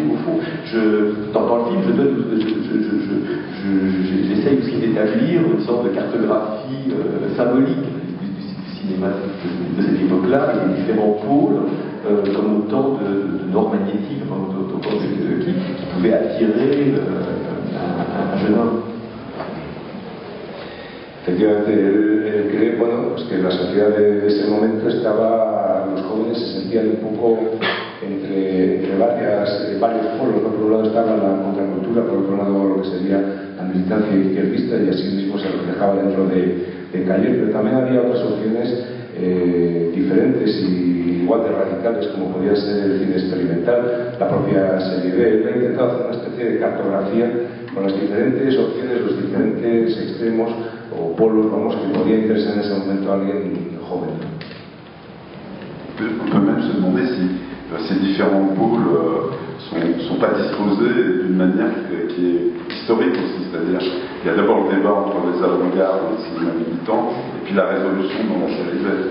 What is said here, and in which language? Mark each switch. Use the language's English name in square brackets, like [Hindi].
[French] Donc au fond, dans le film, j'essaye aussi d'établir une sorte de cartographie symbolique du cinéma de cette époque-là, des différents pôles, comme autant de normes magnétiques, comme autant qui pouvaient attirer un jeune homme. [Spanish] Efectivamente, él cree, bueno, pues que la sociedad de ese momento estaba, los jóvenes se sentían un poco entre varios polos, ¿no? Por un lado estaba la contracultura, por otro lado lo que sería la militancia izquierdista, y así mismo se reflejaba dentro de Calles, pero también había otras opciones diferentes y igual de radicales, como podía ser el cine experimental, la propia serie B. Él ha intentado hacer una especie de cartografía con las diferentes opciones, los diferentes extremos, o polos, vamos, que podía interesar en ese momento a alguien joven. [French] On peut même se demander si ces différents pôles sont pas disposés d'une manière qui est historique aussi, c'est-à-dire il y a d'abord le débat entre les avant-gardes et les cinémas militants, et puis la résolution dans l'enchaînement.